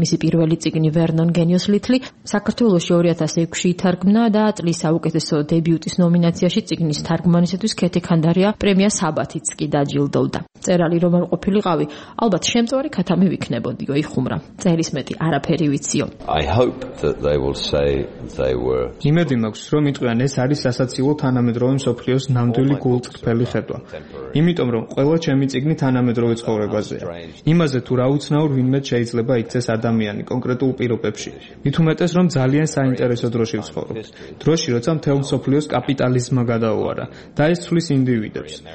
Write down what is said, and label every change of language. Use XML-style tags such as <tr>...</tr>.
<ka>მისი პირველი წიგნი ვერნონ გენიოს ლითლი საქართველოში 2006-ში ითარგმნა და წლის საუკეთესო დებიუტის ნომინაციაში წიგნის თარგმანისთვის ქეთი ქანდარია პრემია საბათიც კი დაჯილდოვდა. წერალი რომ არ ყოფილიყავი, ალბათ შემწვარი ქათამი ვიქნებოდიო, იხუმრა. წერის მეტი არაფერი ვიციო.</ka> <en>I hope that they will say they were.</en> <ka>იმედი მაქვს, რომ იტყვიან ეს არის სასაცილო თანამედროვე მსოფლიოს ნამდვილი გულწრფელი ხედვა. იმიტომ რომ ყველა ჩემი წიგნი თანამედროვე ცხოვრებაზეა. იმაზე თუ რა უცნაურ ვინმე შეიძლება იქცეს ადამიანი კონკრეტულ პირობებში. მით უმეტეს რომ ძალიან საინტერესო დროში ვცხოვრობ. დროში როცა მთელ მსოფლიოს კაპიტალიზმმა გადაუარა და ეს ცვლის ინდივიდებს.</ka>